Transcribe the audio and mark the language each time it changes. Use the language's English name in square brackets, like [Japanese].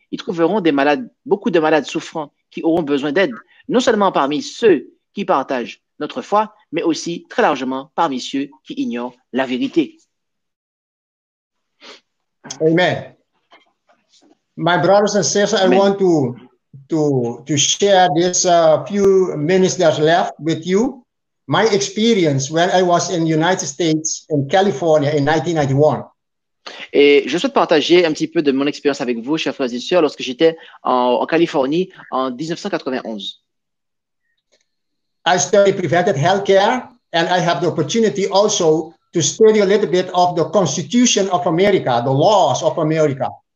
[French] Ils trouveront des malades, beaucoup de malades souffrants qui auront besoin d'aide, non seulement parmi ceux qui partagent notre foi, mais aussi très largement parmi ceux qui ignorent la vérité. Amen. [English] My brothers and sisters, I want to share this few minutes that's left with you. My experience when I was in the United States in California in 1991. [French] Et je souhaite partager un petit peu de mon expérience avec vous, chers frères et sœurs, lorsque j'étais en Californie en 1991. [English] I studied preventive healthcare and I have the opportunity also to study a little bit of the Constitution of America, the laws of America.